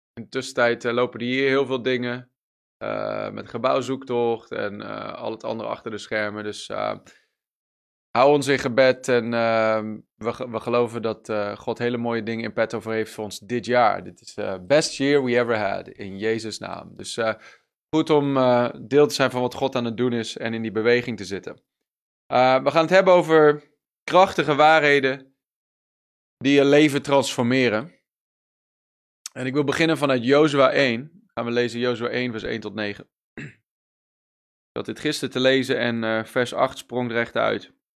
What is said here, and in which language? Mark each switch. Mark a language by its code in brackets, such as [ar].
[nl] In de tussentijd lopen hier heel veel dingen. Met gebouwzoektocht en al het andere achter de schermen. Dus hou ons in gebed. En we geloven dat God hele mooie dingen in petto voor heeft voor ons dit jaar. Dit is [en] the best year we ever had [nl] in Jezus' naam. Dus goed om deel te zijn van wat God aan het doen is en in die beweging te zitten. We gaan het hebben over krachtige waarheden die je leven transformeren. En ik wil beginnen vanuit Jozua 1. Gaan we lezen Jozua 1, vers 1 tot 9. Ik had dit gisteren te lezen en vers 8 sprong er recht uit.